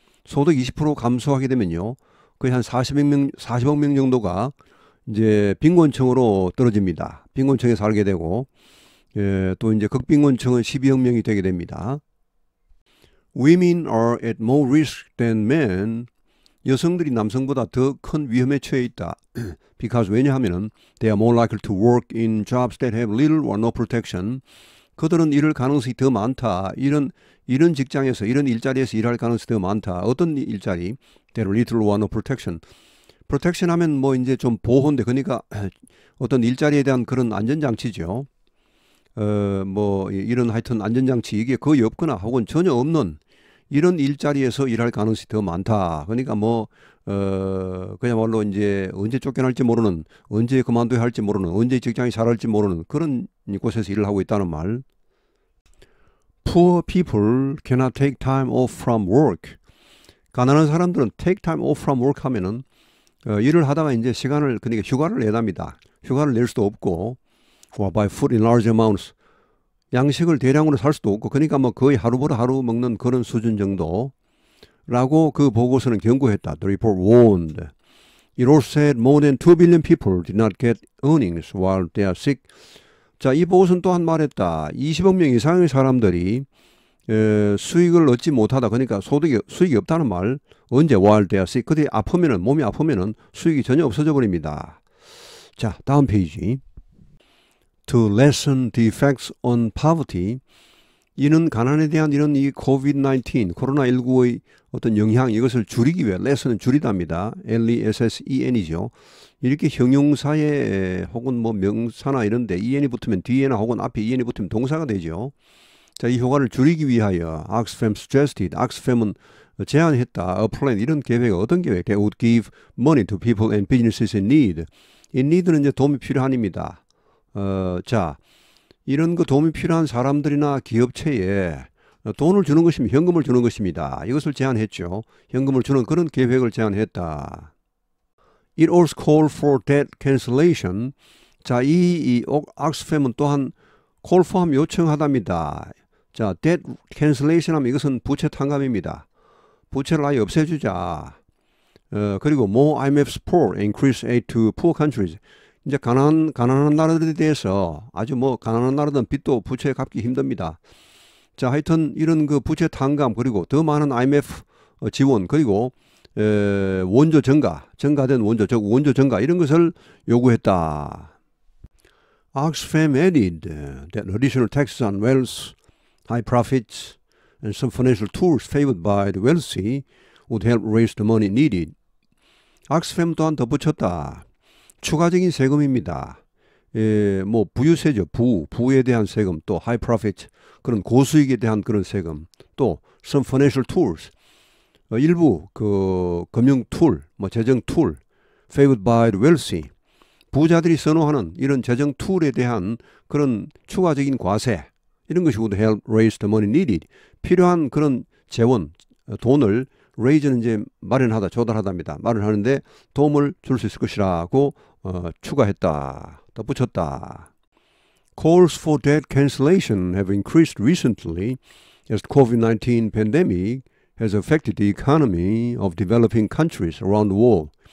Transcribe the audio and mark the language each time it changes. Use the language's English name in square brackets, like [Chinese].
[Korean] 소득 20% 감소하게 되면요. 거의 한 40억 명 정도가 이제 빈곤층으로 떨어집니다. 빈곤층에 살게 되고 또 이제 극빈곤층은 12억 명이 되게 됩니다. [English] Women are at more risk than men. [Korean] 여성들이 남성보다 더 큰 위험에 처해 있다. [English] Because [Korean] 왜냐하면은 [English] they are more likely to work in jobs that have little or no protection. [Korean] 그들은 일할 가능성이 더 많다. 이런 직장에서 이런 일자리에서 일할 가능성이 더 많다. 어떤 일자리? [English] They have little or no protection. [Korean] Protection 하면 뭐 이제 좀 보호인데 그러니까 어떤 일자리에 대한 그런 안전장치죠. 뭐 이런 하여튼 안전장치 이게 거의 없거나 혹은 전혀 없는 이런 일자리에서 일할 가능성이 더 많다. 그러니까 뭐 그야말로 이제 언제 쫓겨날지 모르는, 언제 그만둬야 할지 모르는, 언제 직장이 잘할지 모르는 그런 곳에서 일을 하고 있다는 말. [English] Poor people cannot take time off from work. [Korean] 가난한 사람들은 [English] take time off from work [Korean] 하면은 일을 하다가 이제 시간을 그러니까 휴가를 내답니다. 휴가를 낼 수도 없고. [English] Or buy food in large amounts. [Korean] 양식을 대량으로 살 수도 없고, 그러니까 뭐 거의 하루 벌어 하루 먹는 그런 수준 정도라고 그 보고서는 경고했다. [English] The report warned. It also said more than 2 billion people did not get earnings while they are sick. [Korean] 자, 이 보고서는 또한 말했다. 20억 명 이상의 사람들이 수익을 얻지 못하다. 그러니까 수익이 없다는 말. 언제 [English] while they are sick. [Korean] 그때 아프면은, 몸이 아프면은 수익이 전혀 없어져 버립니다. 자, 다음 페이지. [English] To lessen the effects on poverty, [Korean] 이는 가난에 대한 이런 이 COVID-19, 코로나19의 어떤 영향, 이것을 줄이기 위해, lessen은 줄이답니다. L-E-S-S-E-N이죠. 이렇게 형용사에 혹은 뭐 명사나 이런 데 EN이 붙으면 뒤에나 혹은 앞에 EN이 붙으면 동사가 되죠. 자, 이 효과를 줄이기 위하여 [English] Oxfam suggested, [Korean] Oxfam은 제안했다, [English] a plan, [Korean] 이런 계획, 어떤 계획? [English] They would give money to people and businesses in need. [Korean] In need는 이제 도움이 필요한입니다. 자, 이런 거 도움이 필요한 사람들이나 기업체에 돈을 주는 것입니다. 현금을 주는 것입니다. 이것을 제안했죠. 현금을 주는 그런 계획을 제안했다. [English] It also called for debt cancellation. 자, 이 Oxfam은 [Korean] 또한 [English] call for [Korean] 함 요청하답니다. 자, debt cancellation 하면 이것은 부채 탕감입니다. 부채를 아예 없애주자. 그리고 [English] more IMF support, increase aid to poor countries. [Korean] 이제 가난한 나라들에 대해서 아주 뭐 가난한 나라든 빚도 부채 갚기 힘듭니다. 자, 하여튼 이런 그 부채 탕감 그리고 더 많은 IMF 지원 그리고 원조 증가, 증가된 원조, 즉 원조 증가 이런 것을 요구했다. [English] Oxfam added that additional taxes on wealth, high profits, and some financial tools favored by the wealthy would help raise the money needed. [Korean] Oxfam 또한 덧붙였다. 추가적인 세금입니다. 뭐 부유세죠. 부에 대한 세금, 또 [English] high profit, [Korean] 그런 고수익에 대한 그런 세금, 또 [English] some financial tools, [Korean] 일부 그 금융 툴, 뭐 재정 툴, [English] favored by the wealthy, [Korean] 부자들이 선호하는 이런 재정 툴에 대한 그런 추가적인 과세, 이런 것이 [English] would help raise the money needed, [Korean] 필요한 그런 재원, 돈을 raise는 이제 마련하다, 조달하답니다. 마련하는데 도움을 줄 수 있을 것이라고 추가했다. 붙였다. [English] Calls for debt cancellation have increased recently as the COVID-19 pandemic has affected the economy of developing countries around the world.